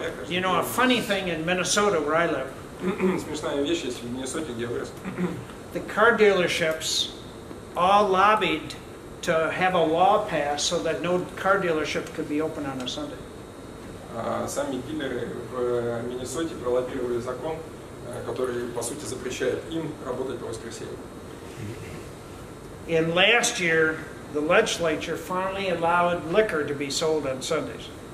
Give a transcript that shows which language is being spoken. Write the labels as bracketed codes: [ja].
[en] You know, a funny thing in Minnesota, where I live, the car dealerships all lobbied to have a law passed so that no car dealership could be open on a Sunday. [ru] Сами дилеры в Миннесоте пролоббировали закон, который, по сути, запрещает им работать по воскресеньям. [en] And last year, the legislature finally allowed liquor to be sold on Sundays.